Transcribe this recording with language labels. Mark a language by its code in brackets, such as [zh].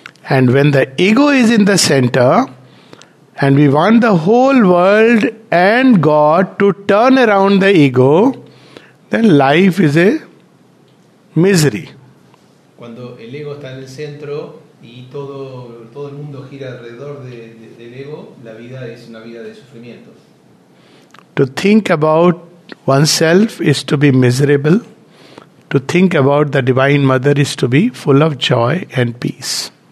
[en] And when the ego is in the center, and we want the whole world and God to turn around the ego, then life is a misery. [es] Cuando el ego está en el centro y todo el mundo gira alrededor del ego, la vida es una vida de sufrimientos. [en] To think about oneself is to be miserable. To think about the Divine Mother is to be full of joy and peace.